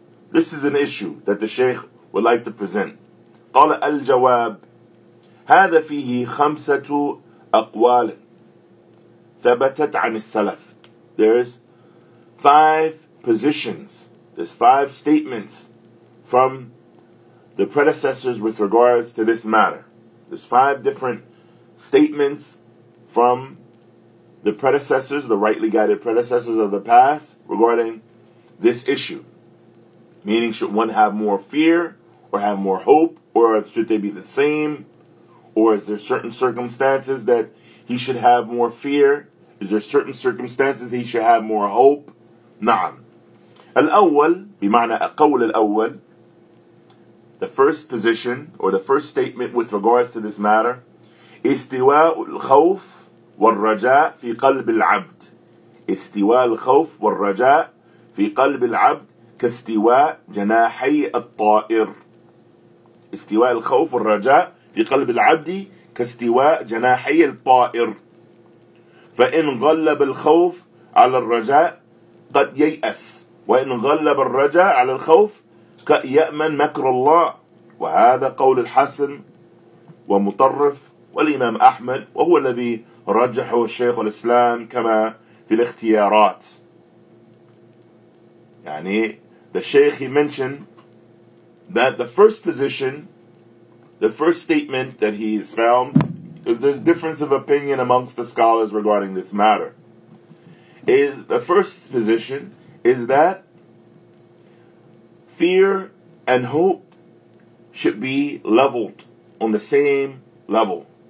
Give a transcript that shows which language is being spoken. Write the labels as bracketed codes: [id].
[en] This is an issue that the Sheikh would like to present. [ar] قال الجواب هذا فيه خمسة أقوال ثبتت عن السلف. [en] There's five positions, there's five statements from the predecessors with regards to this matter. There's five different statements from the predecessors, the rightly guided predecessors of the past, regarding this issue. Meaning, should one have more fear, or have more hope, or should they be the same? Or is there certain circumstances that he should have more fear? Is there certain circumstances he should have more hope? [ar] نعم. الأول, بمعنى القول الأول, [en] the first position, or the first statement with regards to this matter, [ar] استواء الخوف والرجاء في قلب العبد. استواء الخوف والرجاء في قلب العبد كاستواء جناحي الطائر. استواء الخوف والرجاء في قلب العبد كاستواء جناحي الطائر. فإن غلب الخوف على الرجاء قد ييأس, وإن غلب الرجاء على الخوف قد يأمن مكر الله. وهذا قول الحسن ومطرف والإمام أحمد, وهو الذي رجحه الشيخ الإسلام كما في الاختيارات. [en] يعني the Shaykh, he mentioned that the first position, the first statement that he has found, because there's difference of opinion amongst the scholars regarding this matter, is the first position is that fear and hope should be leveled on the same level.